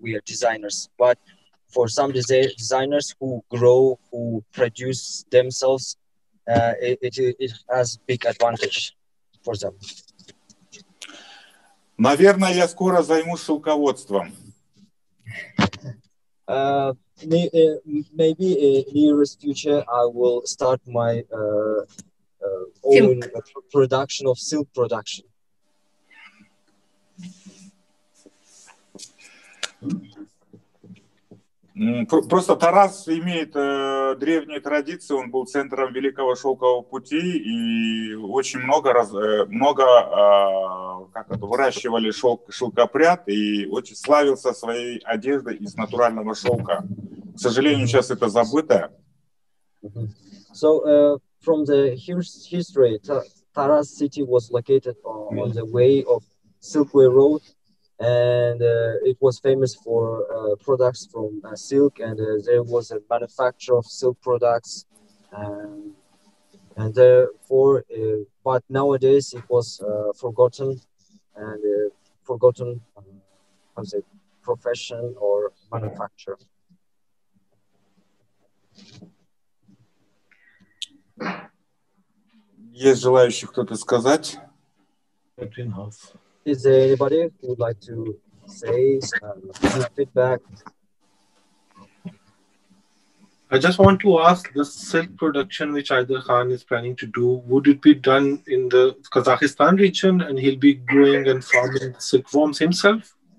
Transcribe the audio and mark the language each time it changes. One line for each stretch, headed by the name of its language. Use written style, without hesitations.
English: We are designers, but for some designers who grow, who produce themselves, it has big advantage for them.
Russian: Наверное, я скоро займусь шелководством.
English: Maybe in nearest future, I will start my own production of silk production.
Russian: Просто Тарас имеет древние традиции, он был центром Великого Шелкового Пути и очень выращивали шелкопряд и очень славился своей одеждой из натурального шелка. К сожалению, сейчас это забыто.
English: So, from the history, Taras City was located on the way of Silkway Road. And it was famous for products from silk, and there was a manufacturer of silk products, and therefore, but nowadays it was forgotten, and forgotten, how to say, profession or manufacturer.
Russian: Есть желающий кто-то сказать?
English: Between half. Is there anybody who would like to say some feedback? I just want to ask, this silk production which Aidar Khan is planning to do, would it be done in the Kazakhstan region and he'll be growing and farming silkworms himself?